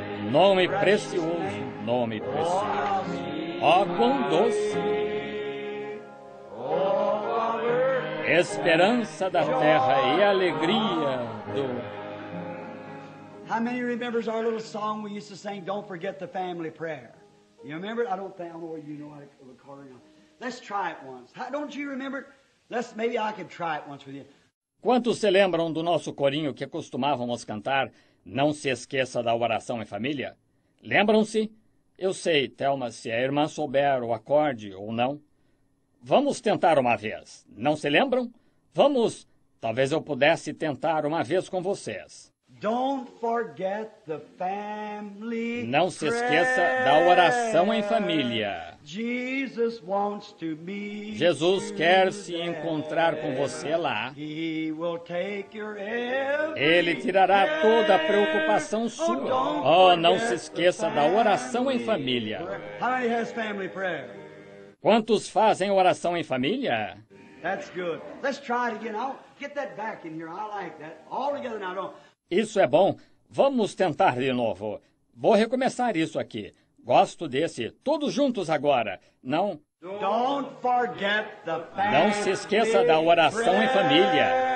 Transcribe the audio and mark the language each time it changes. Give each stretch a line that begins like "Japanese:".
Portuguese: Nome precioso, nome precioso, ó quão doce, esperança da terra e alegria do céu.
English: How many remembers our little song we used to sing, Don't Forget the Family Prayer? You remember? I don't know whether you know how to record it. Let's try it once. Don't you remember? Maybe I could try it once with you.
Portuguese: Quantos se lembram do nosso corinho que costumávamos cantar, Não se esqueça da oração em família? Lembram-se? Eu sei, Thelma, se a irmã souber o acorde ou não. Vamos tentar uma vez. Não se lembram? Vamos. Talvez eu pudesse tentar uma vez com vocês.
English: Don't forget the family prayer.
Portuguese: Não se esqueça da oração em família.
English: Jesus wants to meet
Portuguese: Jesus quer se encontrar com você lá.
English: He will take your every
Portuguese: Ele tirará prayer. Toda a preocupação sua. Oh, não se esqueça da oração em família.
English: How many has family prayer?
Portuguese: Quantos fazem oração em família?
English: That's good. Let's try it again. I'll get that back in here. I like that. All together now. Don't...
Portuguese: Isso é bom. Vamos tentar de novo. Vou recomeçar isso aqui. Gosto desse. Todos juntos agora. Não.
English: Don't forget the family.
Portuguese: Não se esqueça da oração em família.